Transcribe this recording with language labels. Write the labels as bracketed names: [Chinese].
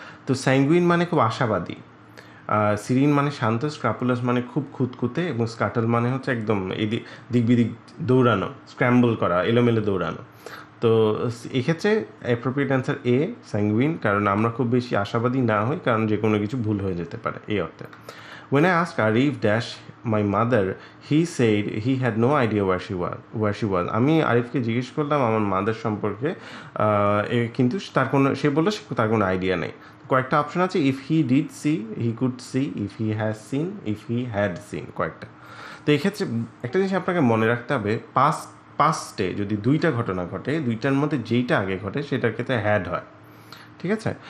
[Bangla] তো স্যাঙ্গুইন মানে খুব আশাবাদী। সিরিন মানে শান্ত। স্ক্রাপুলাস মানে খুব খুঁতখুঁতে। এবং স্কাটল মানে হচ্ছে একদম এদিক দিক বিদিক দৌড়ানো, স্ক্র্যাম্বল করা, এলোমেলো দৌড়ানো। তো এক্ষেত্রে অ্যাপ্রোপ্রিয়েট অ্যান্সার এ, স্যাঙ্গুইন, কারণ আমরা খুব বেশি আশাবাদী না হই, কারণ যে কোনো কিছু ভুল হয়ে যেতে পারে এই অর্থে। [English] When I asked Arif dash my mother, he said he had no idea where she was. [Bangla] আমি আরিফকে জিজ্ঞেস করলাম আমার মাদার সম্পর্কে, কিন্তু তার কোনো, সে বললো তার কোনো আইডিয়া নেই। কয়েকটা অপশন আছে, [English] If he did see, he could see, if he has seen, if he had seen, কয়েকটা। [Bangla] তো এক্ষেত্রে একটা জিনিস আপনাকে মনে রাখতে হবে, পাস্টে যদি দুইটা ঘটনা ঘটে, দুইটার মধ্যে যেইটা আগে ঘটে সেটার ক্ষেত্রে হ্যাড হয়, ঠিক আছে?